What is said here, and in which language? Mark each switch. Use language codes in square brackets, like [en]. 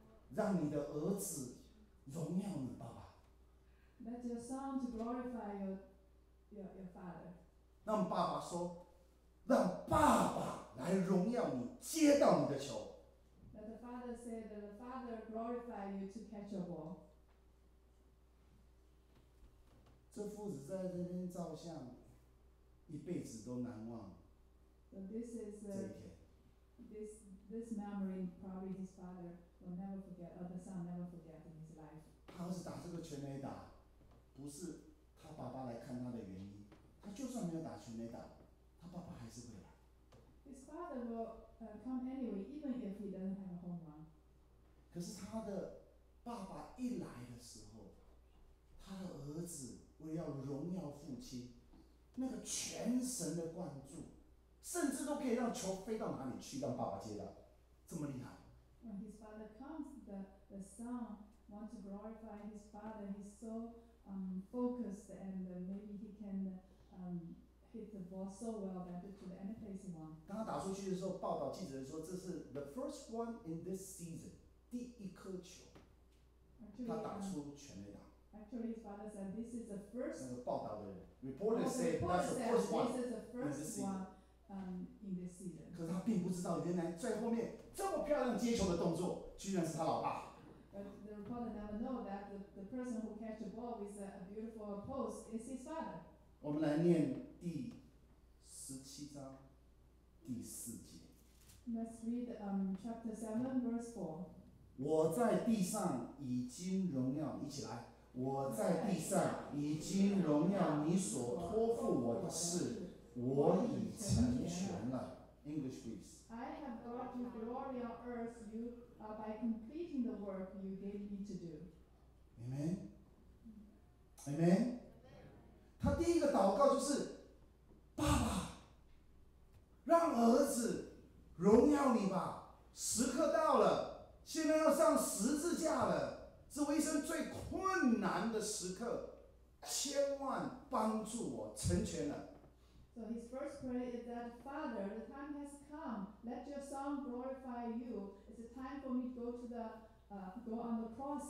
[zh] 让你的儿子荣耀你爸爸。 [en] Let your son to glorify your father. [zh] 让爸爸说。让爸爸来荣耀你，接到你的球。 [en] Let the father say that the father glorify you to catch a ball. [zh] 这父子在这边照相，一辈子都难忘。 [en] So this is a, [zh] 这一天。 [en] This memory probably his father will never forget, or the son never forget in his life. [zh] 他儿子打这个全垒打，不是他爸爸来看他的原因，他就算没有打全垒打。他爸爸还是会来。 [en] His father will come anyway, even if he doesn't have a home run. [zh] 可是他的爸爸一来的时候，他的儿子为了要荣耀父亲，那个全神的关注，甚至都可以让球飞到哪里去，让爸爸接到，这么厉害。 [en] When his father comes, the son wants to glorify his father. He's so focused, and maybe he can hit the ball so well that to the end place he won. [zh] 当他打出去的时候，报道记者说这是 [en] the first one in this season, [zh] 第一颗球。 [en] Actually, [zh] 他打出全垒打。 [en] Actually, his father said this is the first. [zh] 那个报道的人 [en] reporter said that's the first one. This is the first one. This season. In this season. [zh] 可是他并不知道，原来最后面这么漂亮接球的动作，居然是他老爸。 [en] But the reporter never know that the person who catch the ball with a beautiful pose is his father. [zh] 我们来念第十七章第四节。 [en] Let's read chapter 7, verse 4. [zh] 我在地上已经荣耀，一起来。我在地上已经荣耀你所托付我的事，我已成全了。 [en] English, please. I have brought you glory on earth you, by completing the work you gave me to do. Amen. Amen. [zh] 他第一个祷告就是爸爸，让儿子荣耀你吧，时刻到了，现在要上十字架了，是我一生最困难的时刻，千万帮助我成全了。 [en] So his first prayer is that Father, the time has come, let your son glorify you. It's time for me to go on the cross.